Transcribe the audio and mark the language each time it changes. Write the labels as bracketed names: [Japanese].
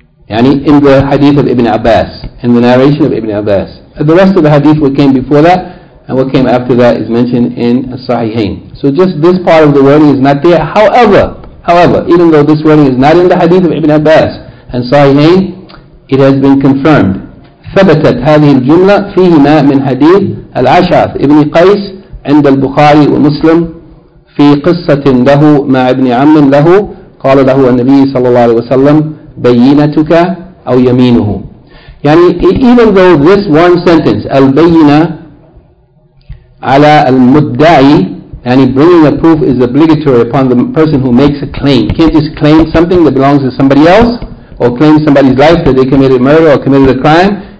[English] Yani, in the hadith of Ibn Abbas, in the narration of Ibn Abbas. The rest of the hadith, what came before that, and what came after that, is mentioned in al-sahihain. So just this part of the wording is not there. However, even though this wording is not in the hadith of Ibn Abbas and sahihain, it has been confirmed. [Arabic] ثبتت هذه الجملة فيهما من حديث العشاث ابن قيس عند البخاري ومسلم في قصة له مع ابن عم له قال له النبي صلى الله عليه وسلم بينتك أو يمينه. [English] يعني even though this one sentence [Arabic] البينة على المدعي, [English] يعني bringing a proof is obligatory upon the person who makes a claim. You can't just claim something that belongs to somebody else or claim somebody's life that they committed murder or committed a crime.